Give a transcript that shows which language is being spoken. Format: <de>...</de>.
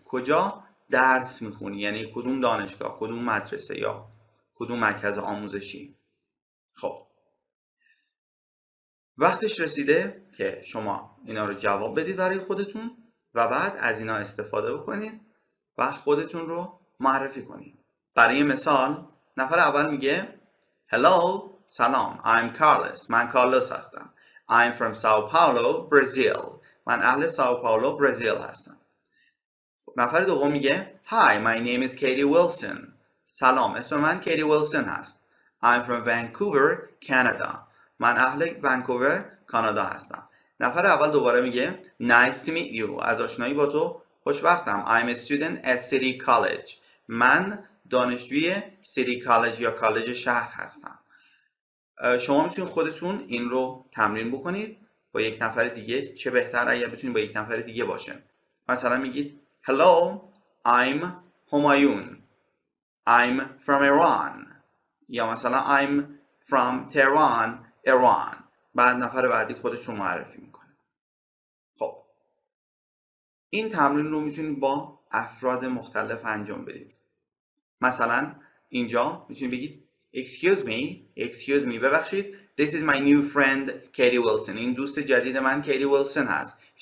<fa>کجا درس میخونی؟ یعنی کدوم دانشگاه؟ کدوم مدرسه؟ یا کدوم مرکز آموزشی؟ خب وقتش رسیده که شما اینا رو جواب بدید برای خودتون و بعد از اینا استفاده بکنید و خودتون رو معرفی کنید. برای مثال نفر اول میگه Hello, سلام,</fa> <en>I'm Carlos.</en> <fa>من کارلوس هستم.</fa> <en>I'm from São Paulo, Brazil.</en> <fa>من اهل São Paulo, Brazil هستم. نفر دوم میگه</fa> <en>Hi, my name is Katie Wilson.</en> <fa>سلام, اسم من Katie Wilson هست.</fa> <en>I'm from Vancouver, Canada.</en> <fa>من اهل Vancouver, کانادا هستم. نفر اول دوباره میگه</fa> <en>Nice to meet you.</en> <fa>از آشنایی با تو خوشبختم.</fa> <en>I'm a student at City College.</en> <fa>من دانشجوی City College یا کالج شهر هستم. شما میتونید خودتون این رو تمرین بکنید با یک نفر دیگه. چه بهتر اگر بتونید با یک نفر دیگه باشه. مثلا میگید</fa> <en>Hello, I'm Humayun. I'm from Iran.</en> <fa>یا مثلا</fa> <en>I'm from Tehran, Iran.</en> <fa>بعد نفر بعدی خودش رو معرفی میکنه. خب این تمرین رو میتونید با افراد مختلف انجام بدید. مثلا اینجا میتونید بگید</fa> <en>Excuse me,</en> <fa>ببخشید.</fa> <en>This is my new friend, Katie Wilson.</en> <fa>این دوست جدید من Katie Wilson هست.</fa>